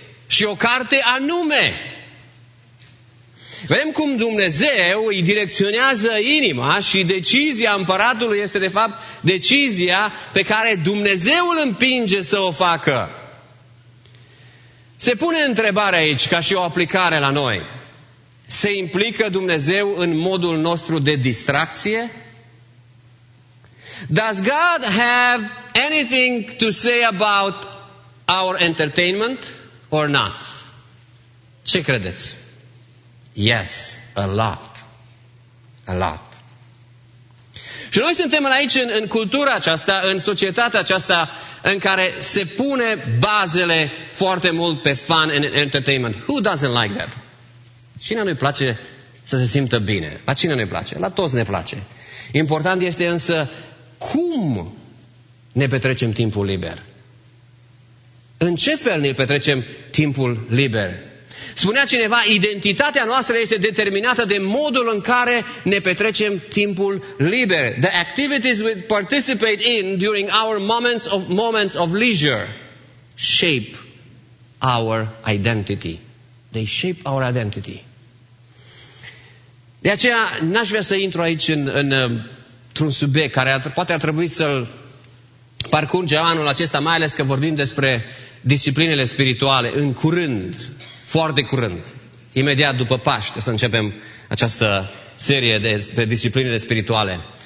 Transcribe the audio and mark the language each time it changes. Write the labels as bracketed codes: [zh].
[ro] Și o carte anume. Vedem cum Dumnezeu îi direcționează inima și decizia împăratului este de fapt decizia pe care Dumnezeu îl împinge să o facă. Se pune întrebarea aici, ca și o aplicare la noi. Se implică Dumnezeu în modul nostru de distracție? [en] Does God have anything to say about our entertainment or not? [ro] Ce credeți? [en] Yes, a lot. A lot. [ro] Și noi suntem aici în cultura aceasta, în societatea aceasta, în care se pune bazele foarte mult pe [en] fun and entertainment. Who doesn't like that? [ro] Cine nu-i place să se simtă bine? La cine nu-i place? La toți ne place. Important este însă cum ne petrecem timpul liber. În ce fel ne petrecem timpul liber? Spunea cineva, identitatea noastră este determinată de modul în care ne petrecem timpul liber. [en] The activities we participate in during our moments of leisure shape our identity. They shape our identity. [ro] De aceea n-aș vrea să intru aici într-un subiect care poate ar trebui să-l parcurge anul acesta, mai ales că vorbim despre disciplinele spirituale în curând. Foarte curând, imediat după Paște, să începem această serie despre disciplinele spirituale.